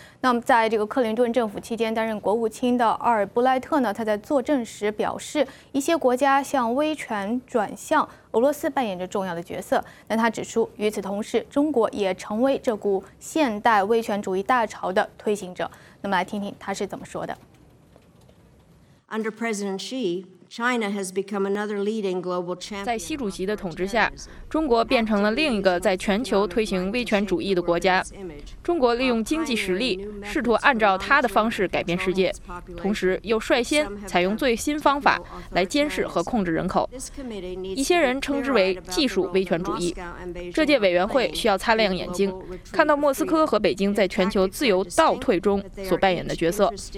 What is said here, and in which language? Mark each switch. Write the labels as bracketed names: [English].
[Chinese] 那么在这个克林顿政府期间担任国务卿的奥尔布莱特呢，他在作证时表示，一些国家向威权转向，俄罗斯扮演着重要的角色。那他指出，与此同时，中国也成为这股现代威权主义大潮的推行者。那么来听听他是怎么说的。 [English] Under President Xi,China has become another leading global champion. [Chinese] 在习主席的统治下，中国变成了另一个在全球推行威权主义的国家。中国利用经济实力，试图按照他的方式改变世界，同时又率先采用最新方法来监视和控制人口。一些人称之为技术威权主义。这届委员会需要擦亮眼睛，看到莫斯科和北京在全球自由倒退中所扮演的角色。